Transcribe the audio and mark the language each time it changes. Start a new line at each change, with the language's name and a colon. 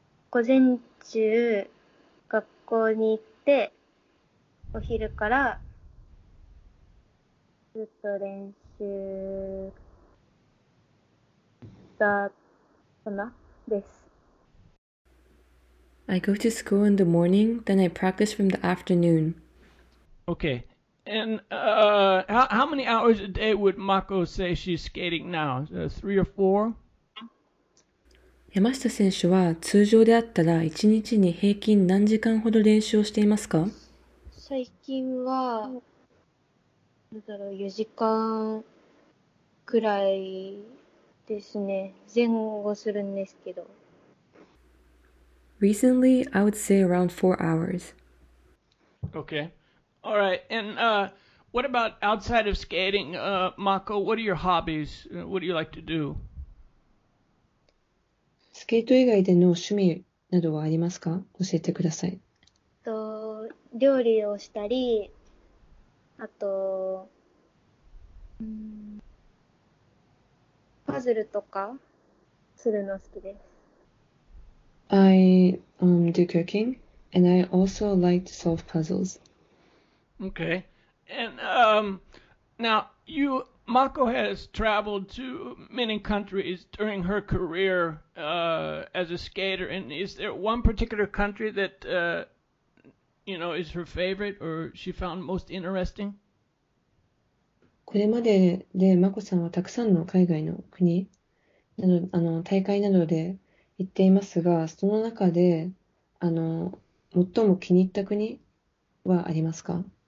Japanese: 午前中学校に行って、お昼からずっと練習だかなです。
English: I go to school in the morning, then I practice from the afternoon. Okay. And how many hours a day would Mako say she's skating now? 3 or 4?
Japanese: 山下選手は通常であったら1日に平均何時間ほど練習をしていますか？最近は、なんだろう、4時間くらいですね。前後するんですけど。
English: Recently, I would say around 4 hours. Okay. All right. And what about outside of skating, Mako? What are your hobbies? What do you like to do?
Japanese: スケート以外での趣味などはありますか？教えてください。料理をしたり、あと、パズルとかするの好きです。
English: I do cooking and I also like to solve puzzles. Okay. And now Mako has traveled to many countries during her career as a skater. And is there one particular country that is her favorite or she found most interesting?
Japanese: これまでで眞子さんはたくさんの海外の国など、大会などで行っていますが、その中で最も気に入った国はありますか？